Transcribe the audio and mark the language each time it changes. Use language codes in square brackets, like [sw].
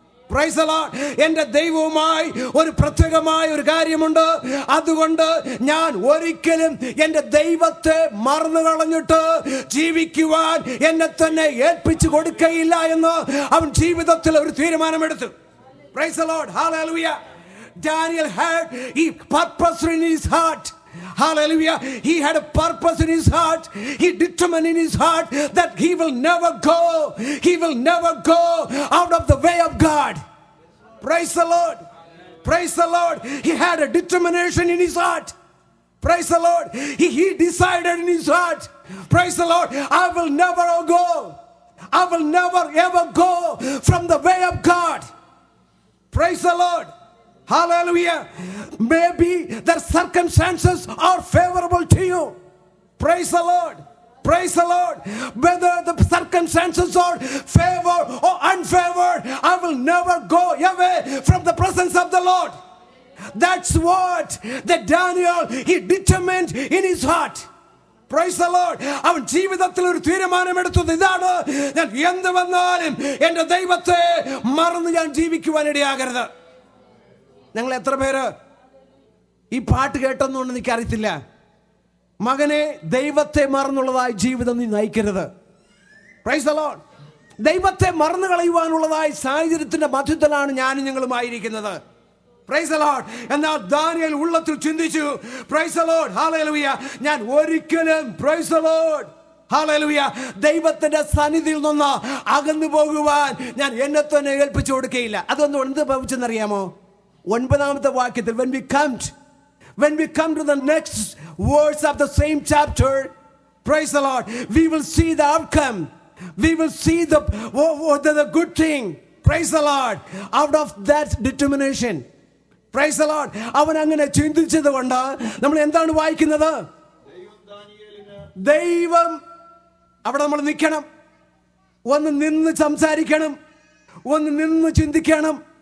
[en] praise the Lord, [ml] എൻ്റെ ദൈവവുമായി ഒരു പ്രത്യേകമായ ഒരു കാര്യമുണ്ട്. അതുകൊണ്ട് ഞാൻ ഒരിക്കലും എൻ്റെ ദൈവത്തെ മറന്നു കളഞ്ഞിട്ട് ജീവിക്കുവാൻ എന്നെ തന്നെ ഏൽപ്പിച്ചു കൊടുക്കയില്ല എന്ന് അവൻ ജീവിതത്തിൽ ഒരു തീരുമാനമെടുത്തു. [en] Praise the Lord, hallelujah. Daniel had a purpose in his heart. Hallelujah. He had a purpose in his heart. He determined in his heart that he will never go. He will never go out of the way of God. Praise the Lord. Praise the Lord. He had a determination in his heart. Praise the Lord. He decided in his heart. Praise the Lord. I will never go. I will never ever go from the way of God. Praise the Lord. Hallelujah. Maybe the circumstances are favorable to you. Praise the Lord. Praise the Lord. Whether the circumstances are favored or unfavored, I will never go away from the presence of the Lord. That's what the Daniel, he determined in his heart. Praise the Lord. [ml] അവൻ ജീവിതത്തിൽ ഒരു തീരുമാനമെടുത്തത് ഇതാണ്, ഞാൻ എന്ത് വന്നാലും എൻ്റെ ദൈവത്തെ മറന്ന് ഞാൻ ജീവിക്കുവാനിടയാകരുത്. ഞങ്ങൾ എത്ര പേര് ഈ പാട്ട് കേട്ടെന്നുണ്ട് എനിക്ക് അറിയത്തില്ല. മകനെ, ദൈവത്തെ മറന്നുള്ളതായ ജീവിതം നീ നയിക്കരുത്. [en] Praise the Lord. [ml] ദൈവത്തെ മറന്നു കളയുവാനുള്ളതായ സാഹചര്യത്തിന്റെ മധ്യത്തിലാണ് ഞാനും ഞങ്ങളും ആയിരിക്കുന്നത്. [en] Praise the Lord. [ml] എന്നാൽ ദാനിയേൽ ഉള്ളത്തിൽ ചിന്തിച്ചു, [en] praise the Lord, [ml] ഹല്ലേലൂയ, ഞാൻ ഒരിക്കലും, പ്രൈസ് ദി ലോർഡ്, ഹല്ലേലൂയ, ദൈവത്തിന്റെ സന്നിധിയിൽ നിന്ന് അകന്നു പോകുവാൻ ഞാൻ എന്നെ തന്നെ ഏൽപ്പിച്ചു കൊടുക്കുകയില്ല. അതൊന്നും എന്ത് ഭവിച്ചെന്നറിയാമോ? 9-ാമത്തെ വാക്യത്തിൽ [en] when we come to the next words of the same chapter, praise the Lord, we will see the outcome, we will see the good thing. Praise the Lord. Out of that determination, praise the Lord, [ml] അവൻ അങ്ങനെ ചിന്തിച്ചതുകൊണ്ട് നമ്മൾ എന്താണ് വായിക്കുന്നത്? ദൈവം അവിടെ നമ്മൾ നിൽക്കണം, ഒന്ന് നിന്ന് സംസാരിക്കണം, ഒന്ന് നിന്ന് ചിന്തിക്കണം.